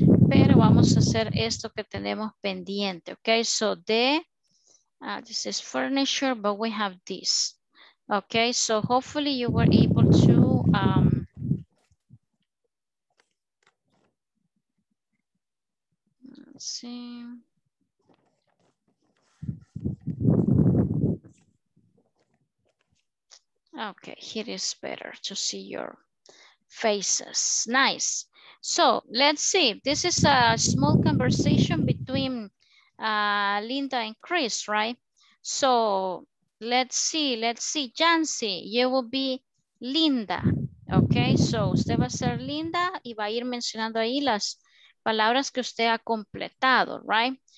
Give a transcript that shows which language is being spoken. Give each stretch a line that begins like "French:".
Spanish: Pero vamos a hacer esto que tenemos pendiente.
English: Ok, so the, this is furniture, but we have this. Ok, so hopefully you were able to, let's see. Okay, here is better to see your faces. Nice. So let's see. This is a small conversation between Linda and Chris, right? So let's see. Jancy, you will be Linda.
Spanish: Ok, so usted va a ser Linda y va a ir mencionando ahí las palabras que usted ha completado, right?